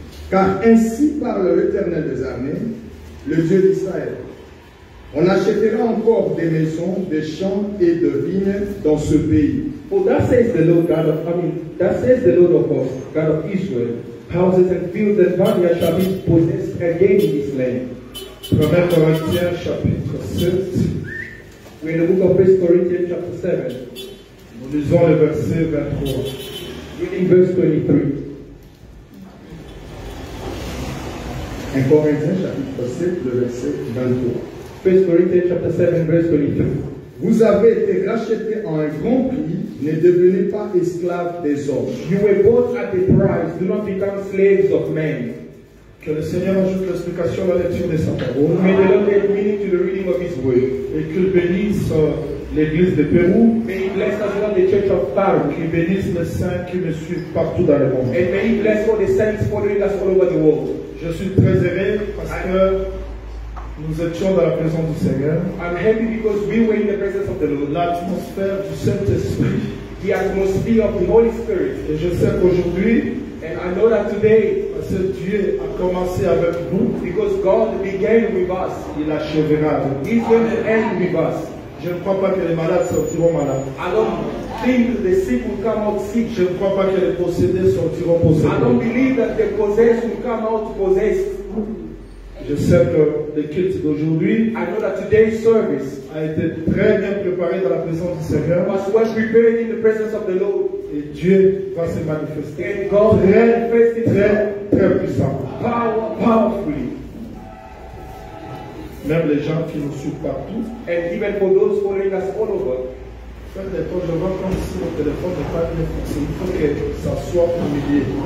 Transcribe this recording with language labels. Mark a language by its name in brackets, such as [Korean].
[French] Car ainsi parle l'Éternel des armées, le Dieu d'Israël. On achètera encore des maisons, des champs et de vignes dans ce pays. [English] For that says the Lord God of hosts, God of Israel, houses and fields and vineyards shall be possessed again in this land. [French] Première Corinthiens chapitre 7. [English] We're in the book of 1 Corinthians chapter 7. [French] Nous lisons le verset 23. [English] Reading verse 23. [French] En Corinthiens chapitre 7, le verset 23. 1 Corinthiens chapitre 7, verset 23. Vous avez été rachetés en un grand prix, ne devenez pas esclaves des hommes. [English] You were bought at a price, do not become slaves of men. [French] Que le Seigneur ajoute l'explication à la lecture de sa parole. [English] May the Lord add meaning to the reading of His word. [French] Et qu'il bénisse l'église de Pérou. [English] May He bless as well the church of Pérou. [French] Qu'il bénisse les saints qui me suivent partout dans le monde. [English] And may He bless all the saints following us all over the world. [French] Je suis très heureux parce que nous étions dans la présence du Seigneur. [English] I'm happy because we were in the presence of the Lord. [French] L'atmosphère du Saint-Esprit. [English] The atmosphere of the Holy Spirit. [French] Et je sais qu'aujourd'hui, [English] and I know that today, [French] parce que Dieu a commencé avec nous, [English] because God began with us, [French] il achèvera. [English] He's going to end with us. [French] Je ne crois pas que les malades sortiront malades. [English] I don't think the sick will come out sick. [French] Je ne crois pas que les possédés sortiront possédés. [English] I don't believe that the possessed will come out possessed. [French] Je sais que le culte d'aujourd'hui, [English] I know that today's service, [French] a été très bien préparé dans la présence du Seigneur. [English] Was well prepared in the presence of the Lord. [French] Et Dieu va se manifester. [English] And God [French] très, très, très, très puissant. [English] Powerfully. [French] Même les gens qui nous suivent partout. [English] And even for those following us all over. [French] Des fois, je vois comme si mon téléphone n'est pas bien fonctionné. Il faut que ça soit humilié.